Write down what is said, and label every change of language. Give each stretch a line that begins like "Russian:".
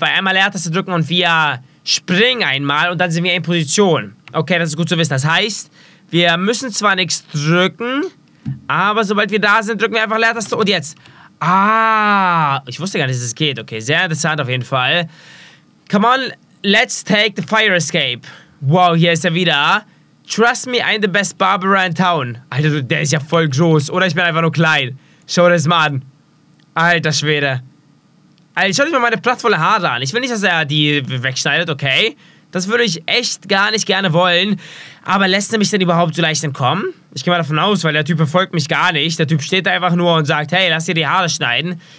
German: Weil einmal Leertaste drücken und wir springen einmal und dann sind wir in Position. Okay, das ist gut zu wissen. Das heißt, wir müssen zwar nichts drücken, aber sobald wir da sind, drücken wir einfach Leertaste. Und jetzt... Ah, ich wusste gar nicht, dass es geht. Okay, sehr interessant auf jeden Fall.
English: Come on, let's take the fire escape.
German: Wow, hier ist er wieder.
English: Trust me, I'm the best Barbara in town.
German: Alter, der ist ja voll groß. Oder ich bin einfach nur klein. Schau dir das mal an. Alter Schwede. Alter, schau dir mal meine prachtvolle Haare an. Ich will nicht, dass er die wegschneidet, okay? Das würde ich echt gar nicht gerne wollen. Aber lässt er mich denn überhaupt so leicht entkommen? Ich gehe mal davon aus, weil der Typ verfolgt mich gar nicht. Der Typ steht da einfach nur und sagt, hey, lass dir die Haare schneiden.